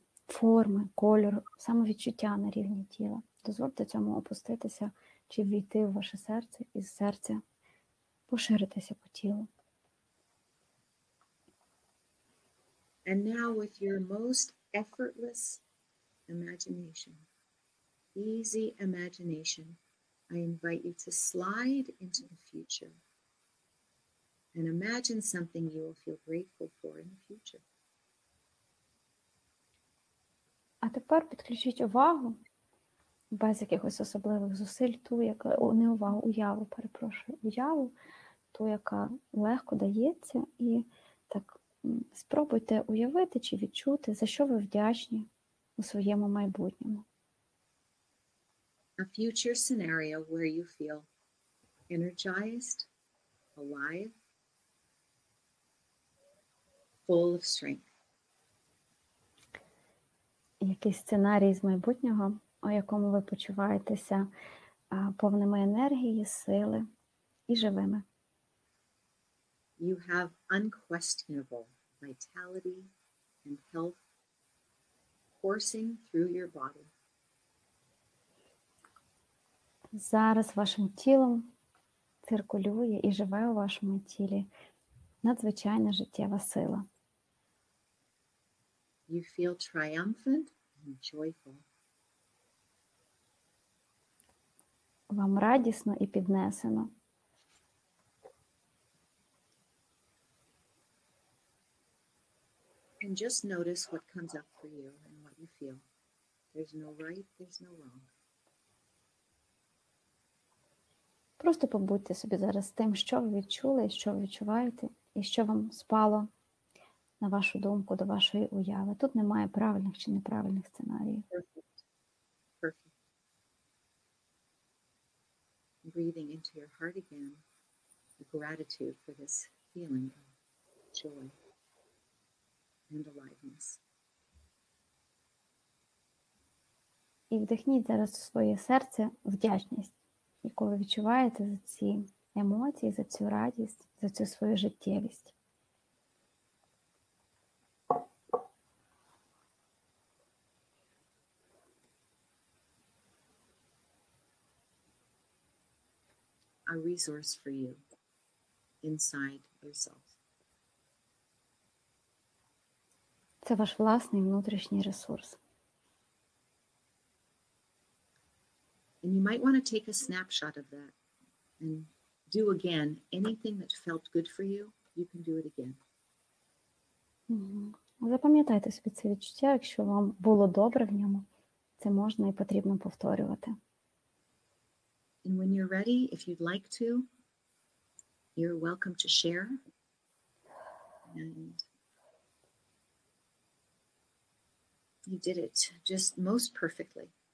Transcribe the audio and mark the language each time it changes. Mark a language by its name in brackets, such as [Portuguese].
[Ukrainian] форми, кольору, самовідчуття на рівні тіла. Дозвольте цьому опуститися чи ввійти в ваше серце і з серця поширитися по тілу. [English] And now with your most effortless imagination, easy imagination, I invite you to slide into the future and imagine something you will feel grateful for in the future. [Ukrainian] А тепер підключіть увагу без якихось особливих зусиль, ту, яка не увагу, уяву, перепрошую, уяву, ту, яка легко дається, і так спробуйте уявити чи відчути, за що ви вдячні у своєму майбутньому. [English] A future scenario where you feel energized, alive, full of strength. [Ukrainian] Якийсь сценарій з майбутнього, у якому ви почуваєтеся повними енергії, сили і живими. [English] You have unquestionable vitality and health coursing through your body. [Ukrainian] Зараз вашим тілом циркулює і живе у вашому тілі надзвичайна життєва сила. [English] You feel triumphant and joyful. [Ukrainian] Вам радісно і піднесено. [English] And just notice what comes up for you and what you feel. There's no right, there's no wrong. [Ukrainian] Просто побудьте собі зараз з тим, що ви відчули, що ви відчуваєте, і що вам спало на вашу думку, до вашої уяви. Тут немає правильних чи неправильних сценаріїв. [English] Breathing into your heart again, the gratitude for this feeling of joy and aliveness. [Ukrainian] І вдихніть зараз у своє серце вдячність, яку ви відчуваєте за ці емоції, за цю радість, за цю свою життєвість. [English] A resource for you inside yourself. [Ukrainian] Це ваш власний внутрішній ресурс. [English] And you might want to take a snapshot of that and do again anything that felt good for you, you can do it again. [Ukrainian] Запам'ятайте собі це відчуття, якщо вам було добре в ньому, це можна і потрібно повторювати. [English] And when you're ready, if you'd like to, you're welcome to share. And you did it just most perfectly.